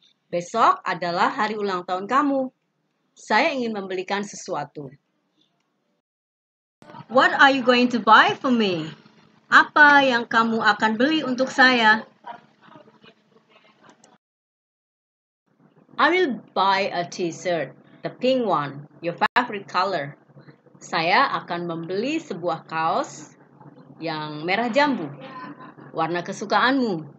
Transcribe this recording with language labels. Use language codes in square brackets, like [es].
[id] Besok adalah hari ulang tahun kamu. Saya ingin membelikan sesuatu. [en] What are you going to buy for me? [id] Apa yang kamu akan beli untuk saya? [en] I will buy a t-shirt, the pink one, your favorite color. [id] Saya akan membeli sebuah kaos yang merah jambu, warna kesukaanmu.